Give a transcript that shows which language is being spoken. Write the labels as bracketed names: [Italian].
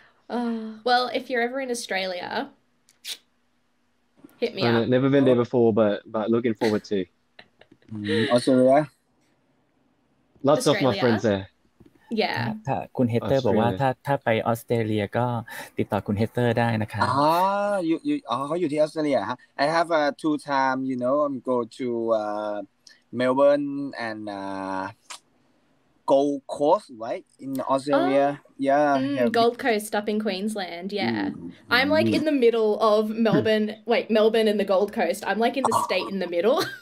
[English] Well, if you're ever in Australia, hit me up. I've never been there before, but looking forward to. Australia? Lots of my friends there. Yeah. [Thai] ถ้าคุณเฮเตอร์บอกว่าถ้าไปออสเตรเลียก็ติดต่อคุณเฮเตอร์ได้นะคะ อ๋ออยู่อ๋อเขาอยู่ที่ออสเตรเลียฮะ [English] I have a two time you know I'm go to Melbourne and Gold Coast right in Australia Gold Coast up in Queensland I'm like in the middle of Melbourne wait Melbourne and the Gold Coast I'm like in the state in the middle